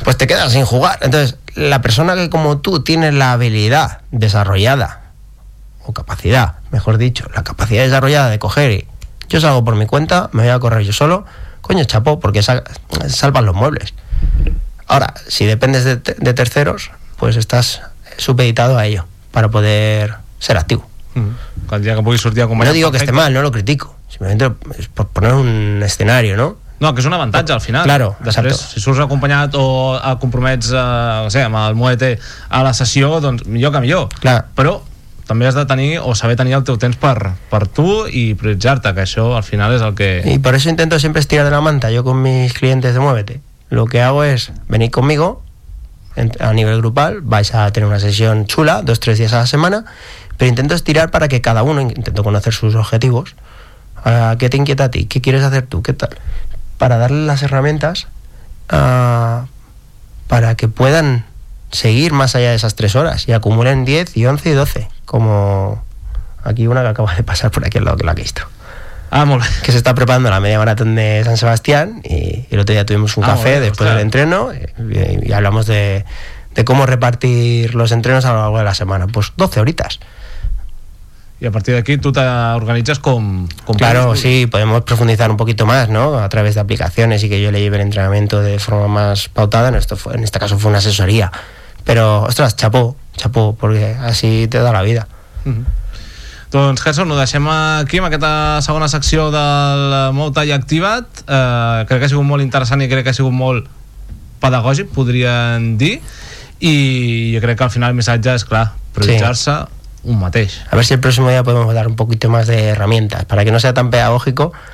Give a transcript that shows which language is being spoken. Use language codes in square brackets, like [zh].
[es] Pues te quedas sin jugar. Entonces, la persona que como tú tiene la habilidad desarrollada, o capacidad, mejor dicho, la capacidad desarrollada de coger y yo salgo por mi cuenta, me voy a correr yo solo, coño, chapó, porque salvan los muebles. Ahora, si dependes de terceros, pues estás supeditado a ello para poder ser activo. El día que puedes sortir a acompañar. No digo que esté mal, no lo critico. Simplemente es por poner un escenario, ¿no? [ca] No, que és un avantatge al final. [es] Claro, [ca] després, exacto. Si surts acompanyat o compromets amb el muete a la sessió, doncs millor que millor. Clar. Però també has de tenir o saber tenir el teu temps per tu i prioritzar-te, que això al final és el que... I per això intento sempre estirar de la manta. Jo [es] con mis clientes de muévete. lo que hago es venir conmigo a nivel grupal, vais a tener una sesión chula, 2-3 días a la semana, pero intento estirar para que cada uno, intento conocer sus objetivos, qué te inquieta a ti, qué quieres hacer tú, qué tal, para darle las herramientas para que puedan seguir más allá de esas 3 horas y acumulen 10 y 11 y 12, como aquí una que acaba de pasar por aquí al lado que la he visto. Ah, mola. Que se está preparando la media maratón de San Sebastián y el otro día tuvimos un café después del entreno y hablamos de cómo repartir los entrenos a lo largo de la semana. Pues 12 horitas. Y a partir de aquí tú te organizas con claro, planes. Sí, podemos profundizar un poquito más, ¿no? A través de aplicaciones y que yo le lleve el entrenamiento de forma más pautada. En este caso fue una asesoría. Pero, ostras, chapó, porque así te da la vida. Uh-huh. [ca] Doncs, Gerson, ho deixem aquí amb aquesta segona secció del Moutai Activa't. Crec que ha sigut molt interessant i crec que ha sigut molt pedagògic, podrien dir. I jo crec que al final el missatge és clar, prioritzar-se un mateix. A veure si el pròxim dia [es] podem dar un poquito más de herramientas para que no sea tan pedagógico.